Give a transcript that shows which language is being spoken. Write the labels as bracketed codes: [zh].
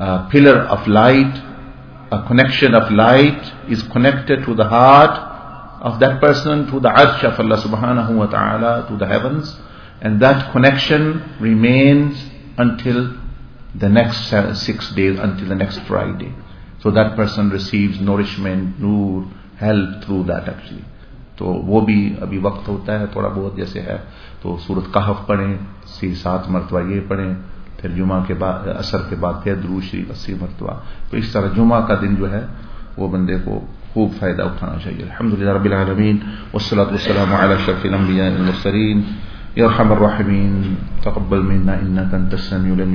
[en] Pillar of light, a connection of light is connected to the heart of that person, to the عرش of اللہ سبحانہ وتعالی, to the heavens, and that connection remains until the next 6 days until the next Friday. So that person receives nourishment, noor, help through that actually. [ur] تو وہ بھی ابھی وقت ہوتا ہے تھوڑا بہت جیسے ہے, تو سورت کہف پڑھیں 6-7 مرتبہ, یہ پڑھیں, پھر جمعہ کے بعد اثر کے بعد پھر درود شریف 80 مرتبہ. تو اس طرح جمعہ کا دن جو ہے وہ بندے کو خوب فائدہ اٹھانا چاہیے. [ar] الحمدللہ رب العالمین, والصلاۃ والسلام علی اشرف الانبیاء والمرسلین, یا ارحم الراحمین, تقبل منا انک انت السمیع العلیم.